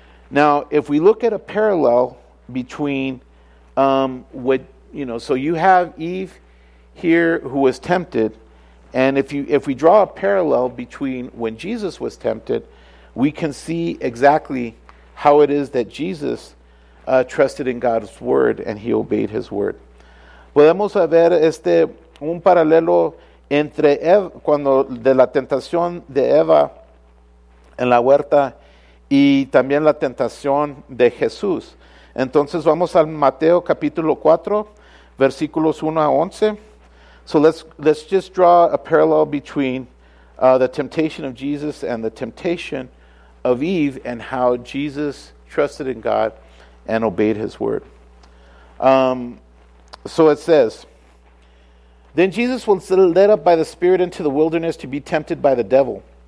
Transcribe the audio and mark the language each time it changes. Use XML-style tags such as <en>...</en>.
<en>Now, if we look at a parallel between so you have Eve here who was tempted, and if we draw a parallel between when Jesus was tempted, we can see exactly how it is that Jesus trusted in God's word and he obeyed his word.</en> <es>Podemos ver un paralelo entre Eva, cuando de la tentación de Eva en la huerta y también la tentación de Jesús. Entonces vamos al Mateo capítulo 4, versículos 1 a 11.</es> <en>So let's just draw a parallel between the temptation of Jesus and the temptation of Eve and how Jesus trusted in God and obeyed his word. So it says, then Jesus was led up by the Spirit into the wilderness to be tempted by the devil.</en>